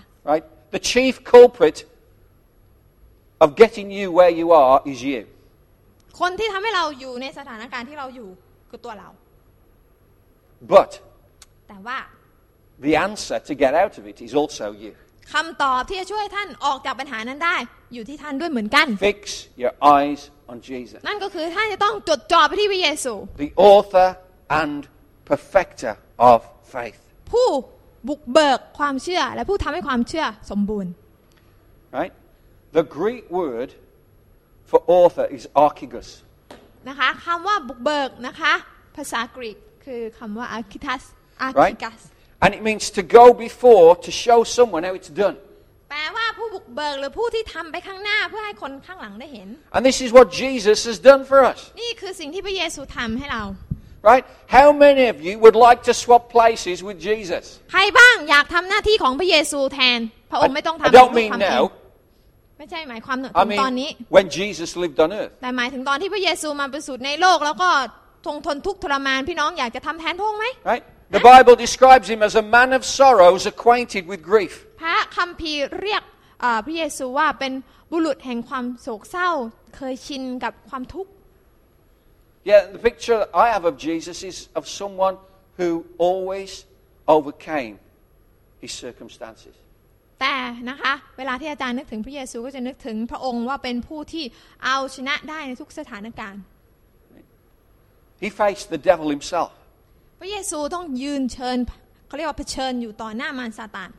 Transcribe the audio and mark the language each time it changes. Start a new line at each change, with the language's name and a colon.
English: Right? The chief culprit of getting you where you are is you.
Thai: คนที่ทำให้เราอยู่ในสถานการณ์ที่เราอยู่คือตัวเรา
English: But
Thai: แต่ว่า
English: the answer to get out of it is also you.
Thai: คำตอบที่จะช่วยท่านออกจากปัญหานั้นได้อยู่ที่ท่านด้วยเหมือนกัน
English: Fix your eyes. On Jesus.
Thai: นั่นก็คือท่านจะต้องจดจ่อไปที่พระเยซู
English: The author and perfecter of faith.
Thai: ผู้บุกเบิกความเชื่อและผู้ทำให้ความเชื่อสมบูรณ์
English: Right? The Greek word for author is archegos.
Thai: นะคะคำว่าบุกเบิกนะคะภาษากรีกคือคำว่า archegos.
English: Right? And it means to go before to show someone how it's done.
Thai: แปลว่าผู้บุกเบิกหรือผู้ที่ทำไปข้างหน้าเพื่อให้คนข้างหลังได้เห็น
English: And this is what Jesus has done for us
Thai: นี่คือสิ่งที่พระเยซูทำให้เรา
English: Right How many of you would like to swap places with Jesus
Thai: ใครบ้างอยากทำหน้าที่ของพระเยซูแทนพระองค์ไม่ต้องทำ
English: I don't mean now
Thai: ไม่ใช่หมายความถึงตอนนี้
English: When Jesus lived on earth
Thai: แต่หมายถึงตอนที่พระเยซูมาประสูติในโลกแล้วก็ทรงทนทุกข์ทรมานพี่น้องอยากจะทำแทนพระองค์ไหม
English: Right The Bible describes him as a man of sorrows acquainted with grief
Thai: พระคัมภีร์เรียกพระเยซูว่าเป็นบุรุษแห่งความโศกเศร้าเคยชินกับความทุกข์
English: Yeah the picture I have of Jesus is of someone who always overcame his circumstances
Thai: แต่นะคะเวลาที่อาจารย์นึกถึงพระเยซูก็จะนึกถึงพระองค์ว่าเป็นผู้ที่เอาชนะได้ในทุกสถานการณ์
English: He faced the devil himself
Thai: พระเยซูต้องยืนเชิญเขาเรียกว่าเผชิญอยู่ต่อหน้ามารซาตาน